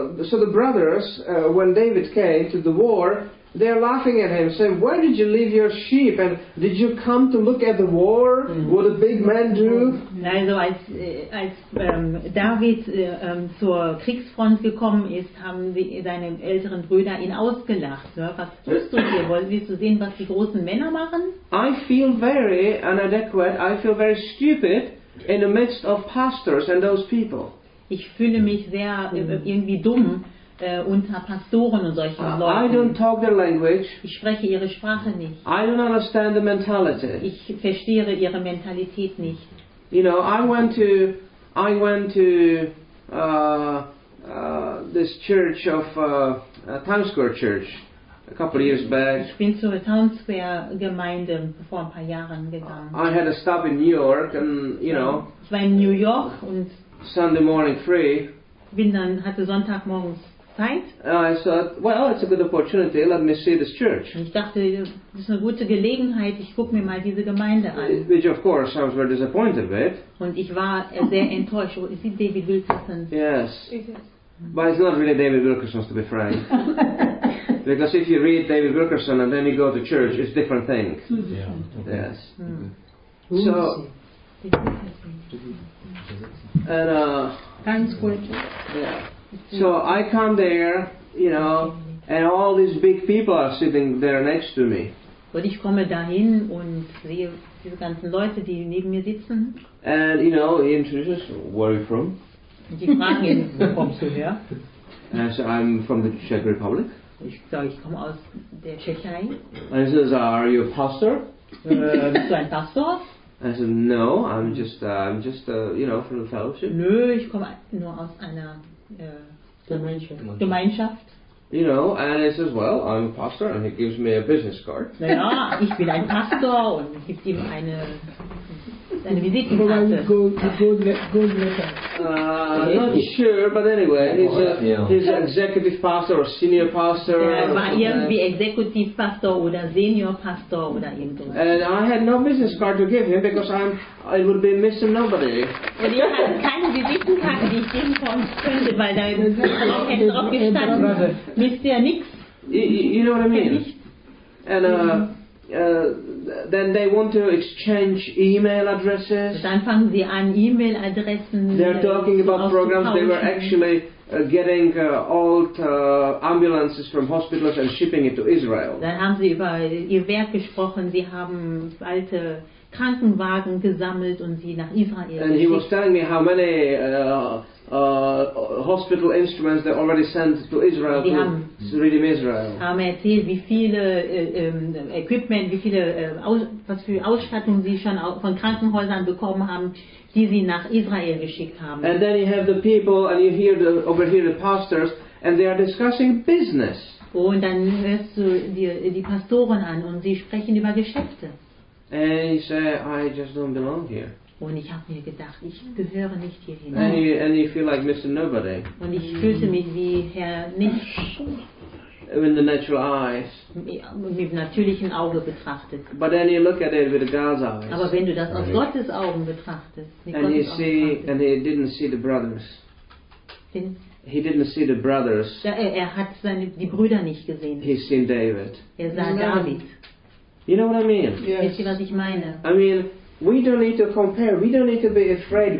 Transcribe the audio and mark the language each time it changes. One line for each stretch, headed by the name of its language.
English: So the brothers, when David came to the war. They're laughing at him, saying, "Where did you leave your sheep? And did you come to look at the war? What a big man do?"
German: Also als David zur Kriegsfront gekommen ist, haben seine älteren Brüder ihn ausgelacht. Was tust du hier? Wollen wir zu sehen, was die großen Männer machen?
English: I feel very inadequate. I feel very stupid in the midst of pastors and those people.
German: Ich fühle mich sehr irgendwie dumm. Unter Pastoren und solchen Leuten.
English: I don't talk their language.
German: Ich spreche ihre Sprache nicht.
English: I don't understand the mentality.
German: Ich verstehe ihre Mentalität nicht.
English: You know, I went to this church of Town Square Church a couple of years back.
German: Ich bin zur Town Square Gemeinde vor ein paar Jahren gegangen.
English: I had a stop in New York and you know.
German: Ich war in New York und
English: Sunday morning free.
German: Bin dann hatte Sonntagmorgens
English: I thought, well, it's a good opportunity. Let me see this church.
German: Ich dachte, das ist eine gute Gelegenheit. Ich guck mir mal diese Gemeinde an.
English: Which, of course, I was very disappointed with.
German: Und ich war sehr enttäuscht.
English: Oh, is it David Wilkerson? Yes. But it's not really David Wilkerson, to be frank. Because if you read David Wilkerson and then you go to church, it's a different thing. Yeah. Okay. Yes. Mm. So. And Times Square Church. Yeah. So I come there, you know, and all these big people are sitting there next to me.
German: Und ich komme dahin und sehe diese ganzen Leute, die neben mir sitzen.
English: And you know, he introduces, where are you from?
German: Und die fragen ihn, wo kommst du her?
English: And I say, I'm from the Czech Republic.
German: Ich sage, ich komme aus der Tschechei.
English: And he says, are you a pastor?
German: Bist du ein Pastor?
English: I said, no, I'm just from the fellowship.
German: Nö, ich komme nur aus einer Gemeinschaft.
English: You know, and he says, well, I'm a pastor, and he gives me a business card.
German: Naja, ich bin ein Pastor, und gibt ihm eine Visitenkarte.
English: Not sure, but anyway, he's an executive pastor or senior pastor.
German: War irgendwie executive pastor oder senior pastor oder irgendwas.
English: And I had no business card to give him because it would be missing nobody.
German: Und ich hatte keine Visitenkarte, die ich geben konnte, weil da drauf gestanden ist. Misst ihr nichts?
English: You know what I mean? And then they want to exchange email addresses.
German: Dann fangen sie an, E-Mail-Adressen.
English: They're talking about programs. They were actually getting old ambulances from hospitals and shipping it to Israel.
German: Dann haben sie über ihr Werk gesprochen. Sie haben alte Krankenwagen gesammelt und sie nach Israel geschickt.
English: And he was telling me how many hospital instruments they already sent to Israel to redeem Israel.
German: Sie haben erzählt, wie viele Equipment, wie viele was für Ausstattung sie schon von Krankenhäusern bekommen haben, die sie nach Israel geschickt haben.
English: And then you have the people and you hear the over here the pastors and they are discussing business.
German: Und dann hörst du die Pastoren an und sie sprechen über Geschäfte.
English: And he said, I just don't belong here.
German: Und ich habe mir gedacht, ich gehöre nicht hierhin.
English: And you feel like Mr. Nobody.
German: Und ich fühlte mich wie Herr Nichts.
English: In the natural eyes.
German: Mit natürlichen Auge betrachtet.
English: But then you look at it with God's eyes.
German: Aber wenn du das aus Gottes Augen betrachtest.
English: And you see, and he didn't see the brothers. He didn't see the brothers.
German: Er hat die Brüder nicht gesehen.
English: He seen David.
German: Er sah David.
English: You know what I mean?
German: Yes. Was ich meine?
English: I mean, we don't need to compare. We don't need to be afraid.